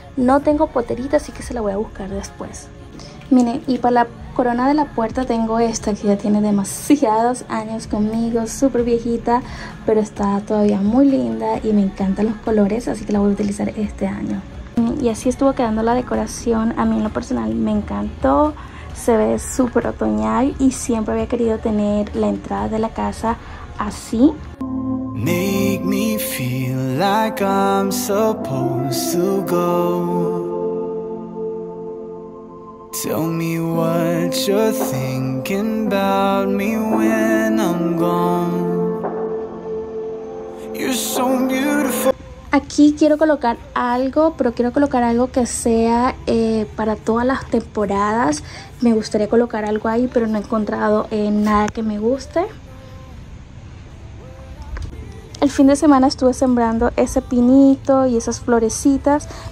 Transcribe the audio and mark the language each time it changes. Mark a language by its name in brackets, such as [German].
[Spanish] No tengo poterita, así que se la voy a buscar después. Miren, y para la corona de la puerta tengo esta que ya tiene demasiados años conmigo, súper viejita, pero está todavía muy linda y me encantan los colores, así que la voy a utilizar este año. Y así estuvo quedando la decoración, a mí en lo personal me encantó, se ve súper otoñal y siempre había querido tener la entrada de la casa así. [English] Make me feel like I'm supposed to go. Tell me what you're thinking. thinking about me when I'm gone. You're so beautiful. [Spanish] Aquí quiero colocar algo, pero quiero colocar algo que sea para todas las temporadas. Me gustaría colocar algo ahí, pero no he encontrado nada que me guste. El fin de semana estuve sembrando ese pinito y esas florecitas.